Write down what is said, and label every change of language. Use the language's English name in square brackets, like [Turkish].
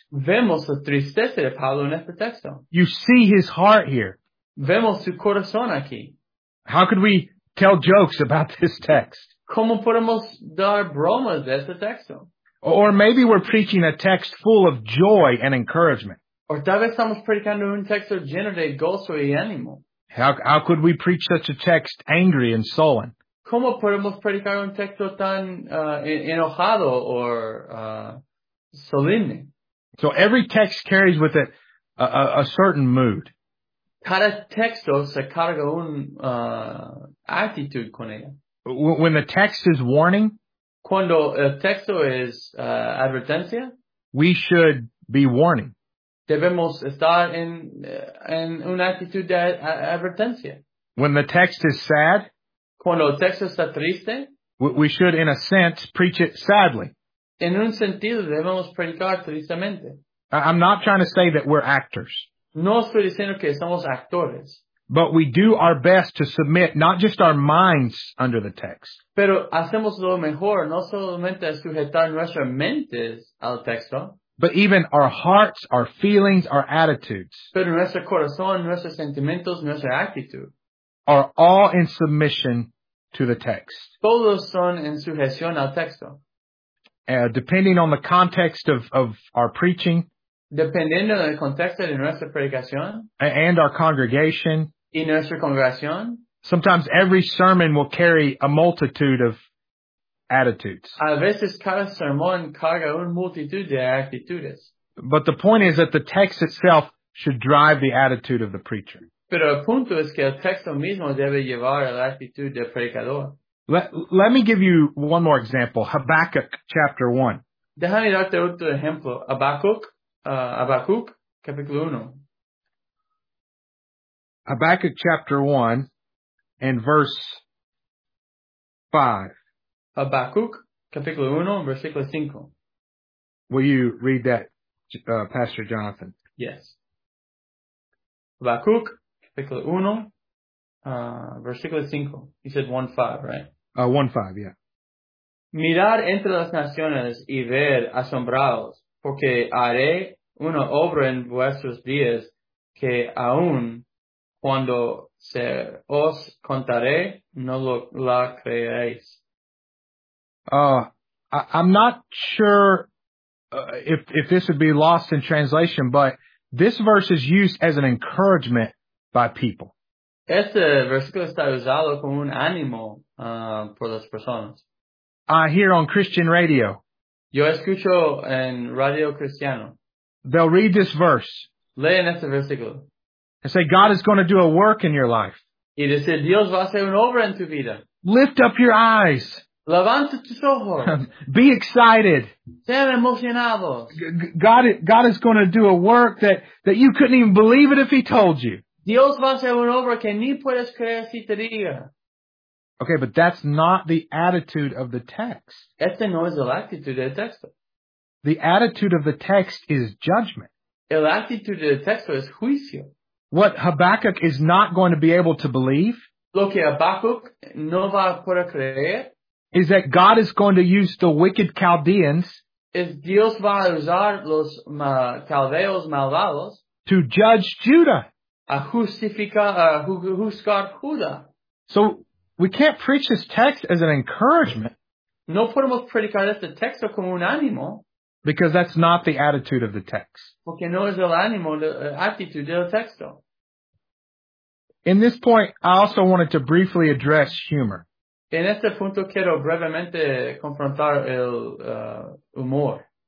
[Spanish] Vemos la tristeza de Pablo en este texto. [English] You see his heart here. [Spanish] Vemos su corazón aquí. [English] How could we tell jokes about this text? [Spanish] ¿Cómo podemos dar bromas de este texto? [English] Or maybe we're preaching a text full of joy and encouragement. [Spanish] Or tal vez estamos predicando un texto lleno de gozo y ánimo. [English] How could we preach such a text angry and sullen? [Spanish] ¿Cómo podemos predicar un texto tan enojado or solemne? [English] So every text carries with it a certain mood. [Spanish] Cada texto se carga un actitud con ella. [English] When the text is warning, [Spanish] cuando el texto es advertencia, [English] we should be warning. [Spanish] Debemos estar en una actitud de advertencia. [English] When the text is sad, [Spanish] cuando el texto está triste, [English] we should, in a sense, preach it sadly. [Spanish] En un sentido, debemos predicar tristemente. [English] I'm not trying to say that we're actors. [Spanish] No estoy diciendo que somos actores. [English] But we do our best to submit not just our minds under the text. [Spanish] Pero hacemos lo mejor, no solamente sujetar nuestras mentes al texto. [English] But even our hearts, our feelings, our attitudes. [Spanish] Pero nuestro corazón, nuestros sentimientos, nuestra actitud. [English] Are all in submission to the text. [Spanish] Todos son en sujeción al texto. [English] Depending on the context of our preaching. [Spanish] Dependiendo del contexto de nuestra predicación. [English] And our congregation. [Spanish] Y nuestra congregación. [English] Sometimes every sermon will carry a multitude of attitudes. [Spanish] A veces cada sermón carga una multitud de actitudes. [English] But the point is that the text itself should drive the attitude of the preacher. [Spanish] Pero el punto es que el texto mismo debe llevar la actitud del predicador. [English] Let me give you one more example. Habakkuk chapter 1. [Spanish] Déjame darte otro ejemplo. Habakkuk, capítulo 1. [English] Habakkuk chapter 1 and verse 5. [Spanish] Habakkuk, capítulo 1, versículo 5. [English] Will you read that, Pastor Jonathan? [Spanish] Yes. Habakkuk, capítulo 1, versículo 5. [English] You said 1-5, right? 1-5, yeah. [Spanish] Mirad entre las naciones y ved asombrados, porque haré una obra en vuestros días que aún cuando se os contaré no lo, la creeréis. [English] I'm not sure if this would be lost in translation, but this verse is used as an encouragement by people. [Spanish] Este versículo está usado como un ánimo por las personas. [English] Here on Christian radio. [Spanish] Yo escucho en Radio Cristiano. [English] They'll read this verse. [Spanish] Leen este versículo. [English] And say, God is going to do a work in your life. [Spanish] Y dice, Dios va a hacer una obra en tu vida. [English] Lift up your eyes. [Spanish] Levanta tus ojos. [English] Be excited. [Spanish] Ser emocionados. [English] God is going to do a work that you couldn't even believe it if he told you. [Spanish] Dios va a hacer una obra que ni puedes creer si te diga. [English] Okay, but that's not the attitude of the text. [Spanish] Este no es la actitud del texto. [English] The attitude of the text is judgment. [Spanish] El actitud del texto es juicio. [English] What Habakkuk is not going to be able to believe. [Spanish] Lo que Habakkuk no va a poder creer. [English] Is that God is going to use the wicked Chaldeans. [Spanish] Es Dios va a usar los caldeos malvados. [English] To judge Judah. [Spanish] A justificar, a juzgar Judá. [English] So, we can't preach this text as an encouragement. [Spanish] No podemos predicar este texto como un ánimo. [English] Because that's not the attitude of the text. [Spanish] Porque no es el ánimo, la actitud del texto. [English] In this point, I also wanted to briefly address humor. [Spanish] En este punto quiero brevemente confrontar el humor.